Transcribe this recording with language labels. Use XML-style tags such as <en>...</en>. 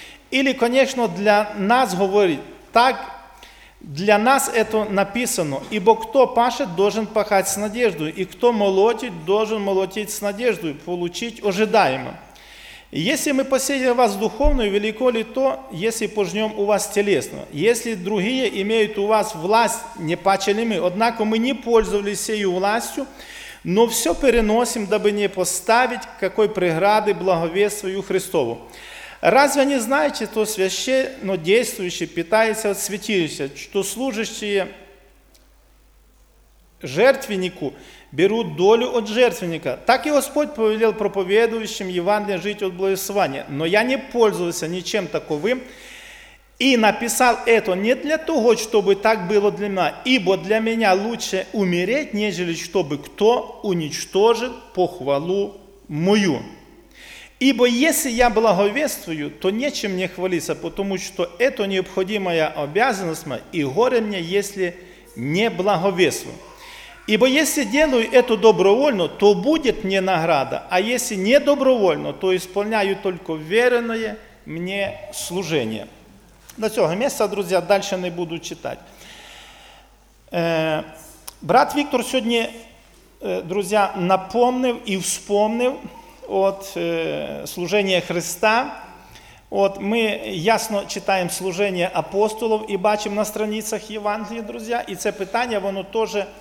<uk>Ілі, конечно, для нас говорить, так, для нас це написано, ібо хто паше, должен пахати з надеждою, і хто молотить, должен молотить з надеждою, получить ожидаемо. Якщо ми посіяли вас духовно, велико ли то, якщо пожнем у вас телесно? Якщо другі мають у вас власть, не паче ли ми? Однак ми не пользувалися цією властю, но все переносим,</uk> <ru>дабы не поставить какой преграды благовествию Христову. Разве не знаете, то священно действующе питается от святилища, что служащие жертвеннику берут долю от жертвенника. Так и Господь повелел проповедующим Евангелие жить от благословения. Но я не пользовался ничем таковым и написал это не для того, чтобы так было для меня, ибо для меня лучше умереть, нежели чтобы кто уничтожил похвалу мою. Ибо если я благовествую, то нечем мне хвалиться, потому что это необходимая обязанность моя, и горе мне, если не благовествую. Ибо если делаю это добровольно, то будет мне награда, а если не добровольно, то исполняю только веренное мне служение.</ru> <uk>До цього місця, друзі, далі не буду читати. Брат Віктор сьогодні, друзі, напомнив і вспомнив от служення Христа. От ми ясно читаємо служення апостолів і бачимо на страницях Євангелія, друзі, і це питання, воно теж</uk>